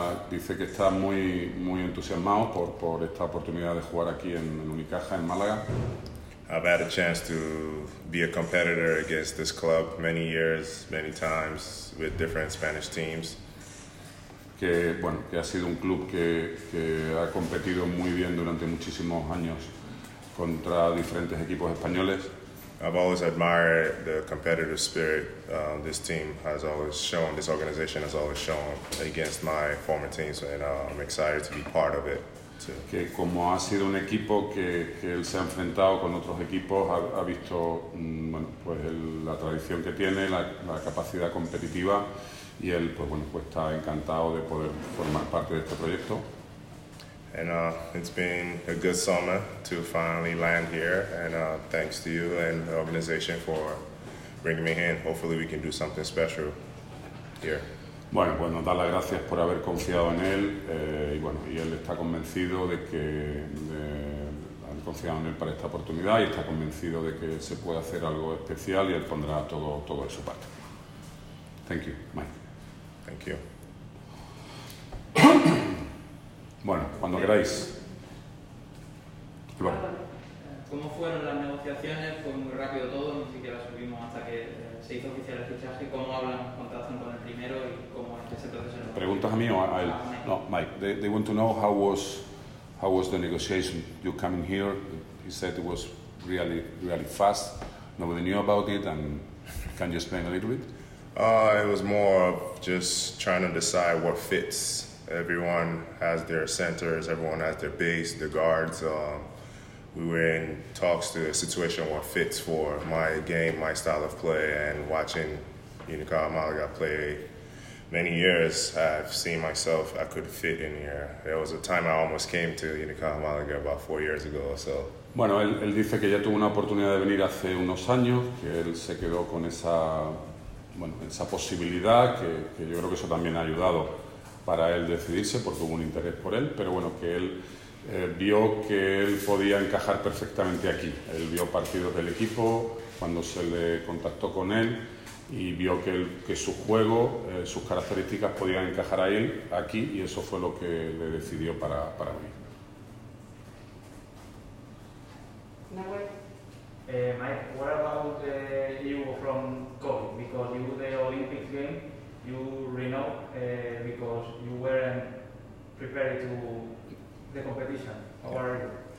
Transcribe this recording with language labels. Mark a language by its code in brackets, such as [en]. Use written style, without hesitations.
[es] Dice que está muy, muy entusiasmado por esta oportunidad de jugar aquí en Unicaja, en Málaga. [en] I've had a chance to be a competitor against this club many years, many times, with different Spanish teams. [es] Que, bueno, que ha sido un club que ha competido muy bien durante muchísimos años contra diferentes equipos españoles. [en] I've always admired the competitive spirit this team has always shown, this organization has always shown against my former teams, and I'm excited to be part of it too. [es] Que como ha sido un equipo que él se ha enfrentado con otros equipos, ha visto bueno, pues la tradición que tiene, la capacidad competitiva, y él pues bueno, pues está encantado de poder formar parte de este proyecto. [en] And it's been a good summer to finally land here, and thanks to you and the organization for bringing me in. Hopefully we can do something special here. [es] Bueno, pues nos da las gracias por haber confiado en él, y bueno, y él está convencido de que han confiado en él para esta oportunidad, y está convencido de que se puede hacer algo especial, y él pondrá todo de su parte. [en] Thank you, Mike. Thank you. [es] Bueno, cuando queráis. Bueno. ¿Cómo fueron las negociaciones? Fue muy rápido todo, ni siquiera subimos hasta que se hizo oficial el fichaje. ¿Cómo hablan, contactan con el primero y cómo es ese proceso? ¿Preguntas a mí o a él? No, Mike. [en] They want to know how was the negotiation. You coming here? He said it was really, really fast. Nobody knew about it, and can you explain a little bit? It was more of just trying to decide what fits. Everyone has their centers, everyone has their base, the guards. We were in talks to a situation what fits for my game, my style of play, and watching Unicaja Málaga play many years, I've seen myself, I could fit in here. There was a time I almost came to Unicaja Málaga about 4 years ago or so. [es] Bueno, él dice que ya tuvo una oportunidad de venir hace unos años, que él se quedó con esa, bueno, esa posibilidad, que yo creo que eso también ha ayudado para él decidirse, porque hubo un interés por él, pero bueno, que él vio que él podía encajar perfectamente aquí. Él vio partidos del equipo cuando se le contactó con él y vio que él, que su juego, sus características podían encajar a él aquí, y eso fue lo que le decidió para mí. [en] Mike, what about you from COVID? Because you the Olympic game, you renew because you weren't prepared to the competition. How are you?